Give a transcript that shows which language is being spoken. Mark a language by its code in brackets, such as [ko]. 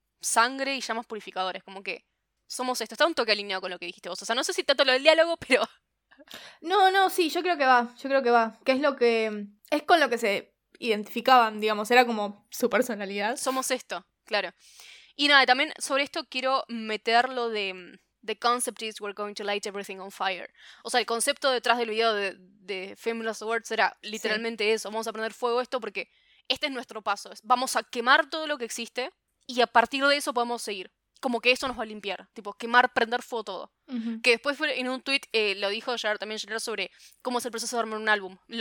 [es] Sangre y llamas purificadores. Como que somos esto. Está un toque alineado con lo que dijiste vos. O sea, no sé si tanto lo del diálogo, pero... No, sí. Yo creo que va. Que es lo que... Es con lo que se identificaban, digamos. Era como su personalidad. Somos esto, claro. Y nada, también sobre esto quiero meter lo de... [en] The concept is we're going to light everything on fire. [es] O sea, el concepto detrás del video de Famous Words era literalmente sí. Eso. Vamos a prender fuego esto porque... Este es nuestro paso. Vamos a quemar todo lo que existe y a partir de eso podemos seguir. Como que eso nos va a limpiar. Tipo, quemar, prender fuego todo. Uh-huh. Que después fue en un tuit, lo dijo Gerard también, Gerard, sobre cómo es el proceso de armar un álbum.